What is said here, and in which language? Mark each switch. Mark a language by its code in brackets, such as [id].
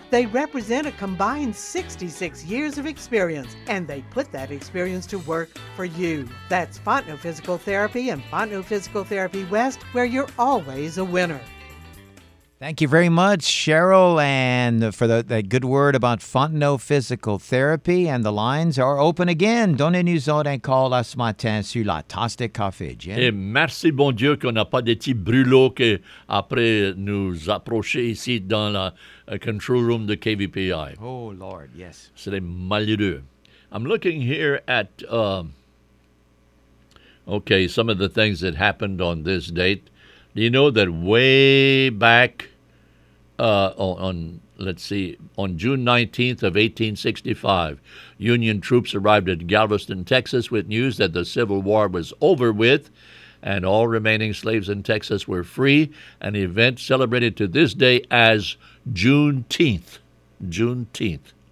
[en] They represent a combined 66 years of experience, and they put that experience to work for you. That's Fontenot Physical Therapy and Fontenot Physical Therapy West, where you're always a winner. Thank you very much, Cheryl, and for the good word about Fontenot Physical Therapy. And the lines are open again. [fr] Donnez-nous un call à ce matin sur la tasse de café, Jim. Et merci, bon Dieu, qu'on n'a pas des petits brûlots qui, après, nous approcher ici dans la control room de KVPI. [en] Oh, Lord, yes. [fr] C'est les malheureux. [en] I'm looking here at, some of the things that happened on this date. Do you know that way back on June 19th of 1865, Union troops arrived at Galveston, Texas with news that the Civil War was over with and all remaining slaves in Texas were free, an event celebrated to this day as Juneteenth. Juneteenth.